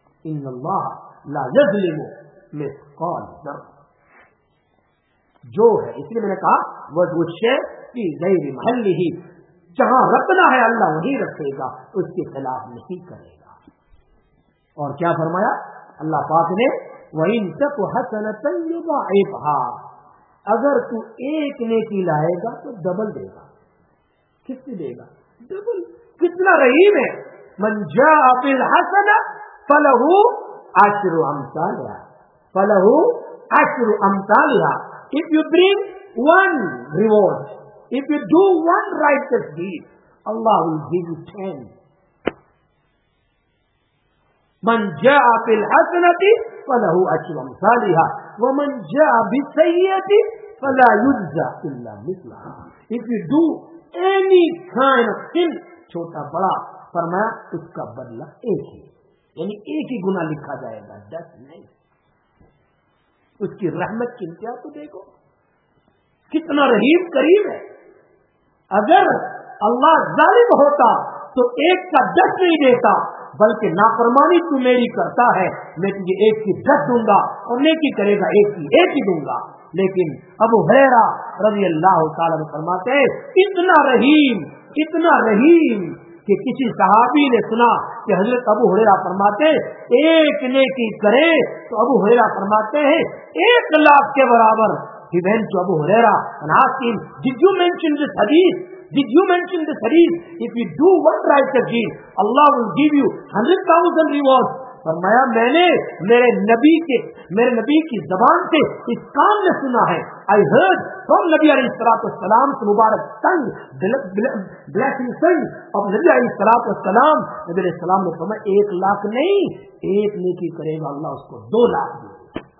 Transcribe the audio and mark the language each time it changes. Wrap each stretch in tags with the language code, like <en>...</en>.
<ar>ان اللہ لا یظلم مثقال ذرہ</ar> <ur>جو ہے, اس لیے میں نے کہا وہ شے کی غیر محلی ہی, جہاں رکھنا ہے اللہ وہی رکھے گا, اس کے خلاف نہیں کرے گا. اور کیا فرمایا اللہ پاک نے</ur> <ar>وَإِن تَكُ حَسَنَةً يُضَاعِفْهَا,</ar> <ur>اگر تو ایک نیکی لائے گا تو ڈبل دے گا. کتنی دے گا؟ ڈبل. کتنا رحیم ہے,</ur> <ar>من جاء بالحسنة فله عشر امثالها, فله عشر امثالها.</ar> <en>If you bring one reward, if you do one righteous deed, Allah will give you 10.</en> <ar>من جاء بالحسنة فله عشر امثالها ومن جاء بالسيئة فلا يجزى إلا مثلها.</ar> <en>If you do any kind of sin,</en> <ur>چھوٹا بڑا, فرمایا اس کا بدلہ ایک ہی, یعنی ایک ہی گناہ لکھا جائے گا, دس نہیں. اس کی رحمت کی انتہا تو دیکھو, کتنا رحیم کریم ہے. اگر اللہ ظالم ہوتا تو ایک کا دس نہیں دیتا, بلکہ نافرمانی تو میری کرتا ہے میں تجھے ایک کی دس دوں گا اور نیکی کرے گا ایک ہی دوں گا. لیکن ابو ہریرہ رضی اللہ تعالیٰ عنہ فرماتے ہیں اتنا رحیم کہ کسی صحابی نے سنا کہ حضرت ابو ہریرہ فرماتے ہیں ایک نیکی کرے تو ابو ہریرہ فرماتے ہیں 100,000 کے برابر.</ur> <en>He went to Abu Huraira and asked him, Did you mention this hadith? If you do one righteous deed, Allah will give you 100,000 rewards.</en> <ur>فرمایا میں نے میرے نبی کے میرے نبی کی زبان سے اس کام میں سنا ہے,</ur> <en>I heard from</en> <ur>نبی علیہ الصلوۃ والسلام کے مبارک تنگ بلیسنگ سنگ اور نبی علیہ الصلوۃ والسلام نبی علیہ السلام نے فرمایا ایک لاکھ نہیں, ایک نیکی کرے گا اللہ اس کو دو لاکھ دے.</ur>